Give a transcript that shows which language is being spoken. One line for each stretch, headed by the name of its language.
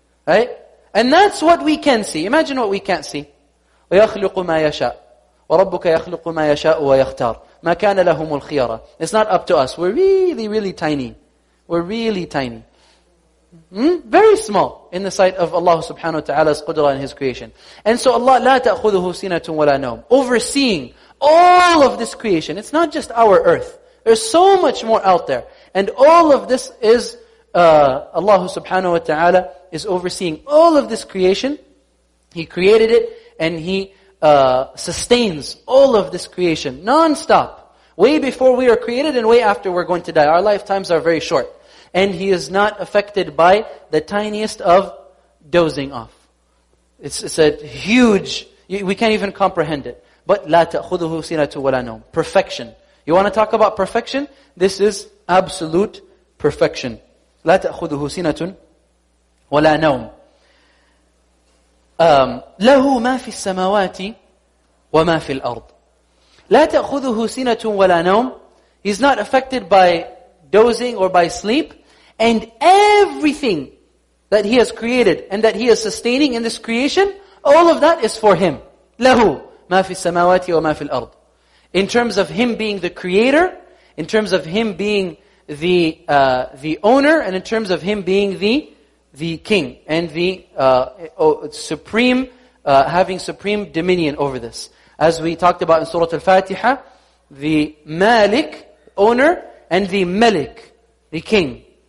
English: Right? And that's what we can see. Imagine what we can't see.
Arabic: وَيَخْلُقُ مَا يَشَاءُ وَرَبُّكَ يَخْلُقُ مَا يَشَاءُ وَيَخْتَارُ مَا كَانَ لَهُمُ الْخِيَرَةُ.
English: It's not up to us. We're really, really tiny. We're really tiny. Very small in the sight of Allah subhanahu wa ta'ala's qudra and His creation. And so Allah,
Arabic: لَا تَأْخُذُهُ سِنَةٌ وَلَا نَوْمٌ.
English: Overseeing all of this creation. It's not just our earth. There's so much more out there. And all of this is, Allah subhanahu wa ta'ala is overseeing all of this creation. He created it and He sustains all of this creation non-stop. Way before we are created and way after we're going to die. Our lifetimes are very short. And He is not affected by the tiniest of dozing off. It's a huge, we can't even comprehend it.
Arabic: But لا تأخذه سنة ولا نوم.
English: Perfection. You want to talk about perfection? This is absolute perfection.
Arabic: لا تأخذه سنة ولا نوم. له ما في السماوات وما في الأرض. لا تأخذه سنة ولا نوم.
English: He's not affected by dozing or by sleep. And everything that He has created and that He is sustaining in this creation, all of that is for Him.
Arabic: له ما في السماوات وما في الأرض.
English: In terms of Him being the creator, in terms of Him being the owner, and in terms of Him being the king and the supreme, having supreme dominion over this. As we talked about in Surah Al-Fatiha, the Malik, owner, and the Malik, the king.